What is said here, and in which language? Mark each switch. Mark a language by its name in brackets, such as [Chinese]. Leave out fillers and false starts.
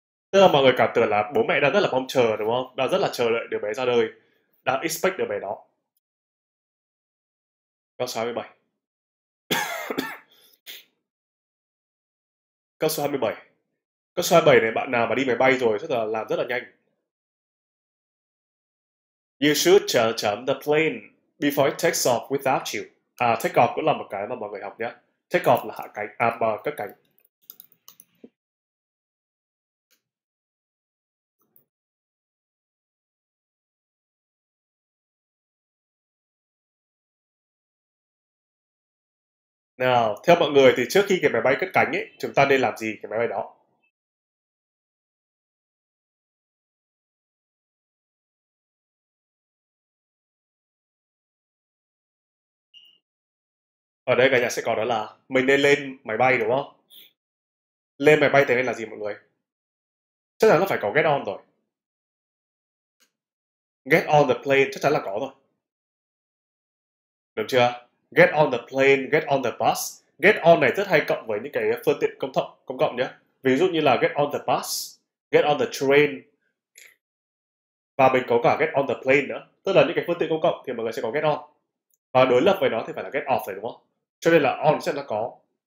[Vietnamese] Tức là mọi người cảm tưởng là bố mẹ đang rất là mong chờ đúng không? Đang rất là chờ đợi đứa bé ra đời. Đang expect đứa bé đó. Câu số 27. Câu số 27. Câu số 27 này bạn nào mà đi máy bay rồi rất là làm rất là nhanh. [English] You should the plane before it takes off without you. [Vietnamese] À, take off cũng là một cái mà mọi người học nhé. Take off là hạ cánh, à, cất cánh. Nào, theo mọi người thì trước khi cái máy bay cất cánh ấy, chúng ta nên làm gì cái máy bay đó? Ở đây cả nhà sẽ có đó là mình nên lên máy bay đúng không? Lên máy bay thì nên là gì mọi người? Chắc chắn là phải có get on rồi. [English] Get on the plane [Vietnamese] chắc chắn là có rồi. Đúng chưa? [English] Get on the plane, get on the bus. [Vietnamese] Get on này rất hay cộng với những cái phương tiện công cộng nhé. Ví dụ như là [English] get on the bus, get on the train. [Vietnamese] Và mình có cả [English] get on the plane [Vietnamese] nữa. Tức là những cái phương tiện công cộng thì mọi người sẽ có get on. Và đối lập với nó thì phải là get off rồi đúng không? Cho nên là on sẽ là có.